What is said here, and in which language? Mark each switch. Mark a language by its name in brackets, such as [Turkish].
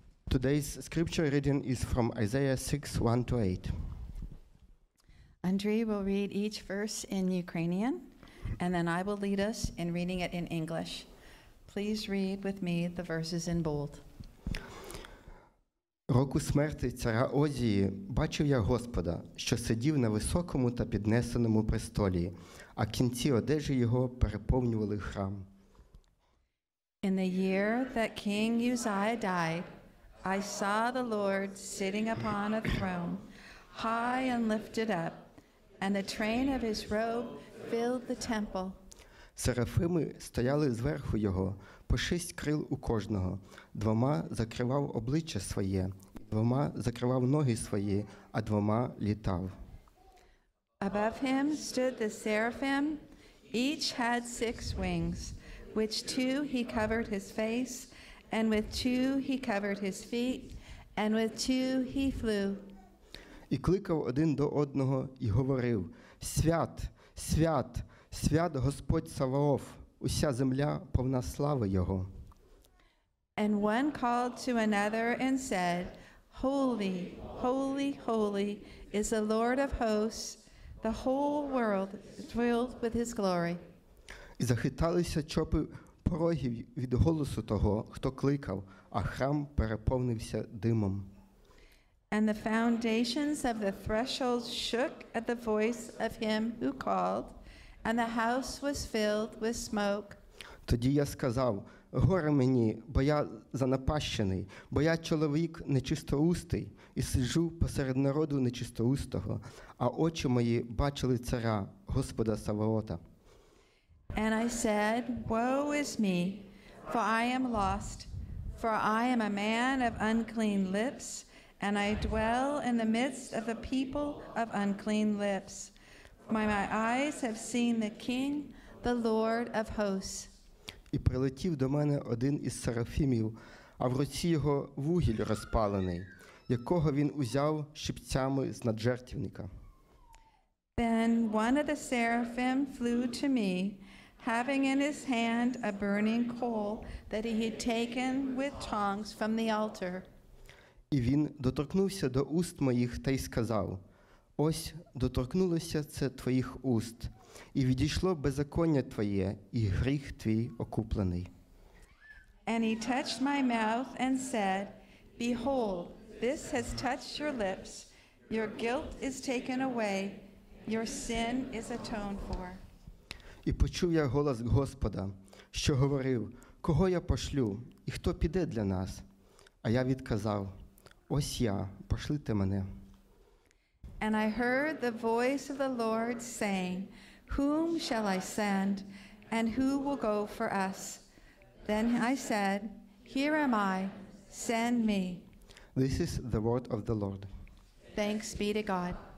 [English] Today's scripture reading is from Isaiah 6, 1 to 8. Andrei will read each verse in Ukrainian, and then I will lead us in reading it in English. Please read with me the verses in bold. [Ukrainian] Року смерти царя Озії бачив я Господа, що сидів на високому та піднесеному престолі, а кінці одежі його переповнювали храм. [English] In the year that King Uzziah died, I saw the Lord sitting upon a throne, high and lifted up, and the train of his robe filled the temple. [Ukrainian] Серафими стояли зверху його, по шість крил у кожного. Двома закривав обличчя своє, двома закривав ноги свої, а двома літав. [English] Above him stood the seraphim, each had six wings. With two he covered his face, and with two he covered his feet, and with two he flew. [Ukrainian] І кликав один до одного і говорив: Свят, свят, свят Господь Саваоф, уся земля повна слави Його. [English] And one called to another and said, Holy, holy, holy is the Lord of hosts, the whole world is filled with his glory. [Ukrainian] І захиталися чопи порогів від голосу того, хто кликав, а храм переповнився димом. [English] And the foundations of the threshold shook at the voice of him who called, and the house was filled with smoke. [Ukrainian] Тоді я сказав: горе мені, бо я занапащений, бо я чоловік нечистоустий, і сиджу посеред народу нечистоустого, а очі мої бачили царя, Господа Саваота. [English] And I said, Woe is me, for I am lost, for I am a man of unclean lips, and I dwell in the midst of a people of unclean lips. My eyes have seen the King, the Lord of hosts. [Ukrainian] І прилетів до мене один із серафімів, а в руці його вугіль розпалений, якого він узяв щипцями з наджертівника. [English] Then one of the seraphim flew to me, having in his hand a burning coal that he had taken with tongs from the altar. [Ukrainian] І він доторкнувся до уст моїх та й сказав: Ось доторкнулося це твоїх уст, і відійшло беззаконня твоє, і гріх твій окуплений. [English] And he touched my mouth and said, Behold, this has touched your lips, your guilt is taken away, your sin is atoned for. [Ukrainian] І почув я голос Господа, що говорив: Кого я пошлю, і хто піде для нас? А я відказав: Ось я, пошлите мене. [English] And I heard the voice of the Lord saying, Whom shall I send, and who will go for us? Then I said, Here am I, send me. This is the word of the Lord. Thanks be to God.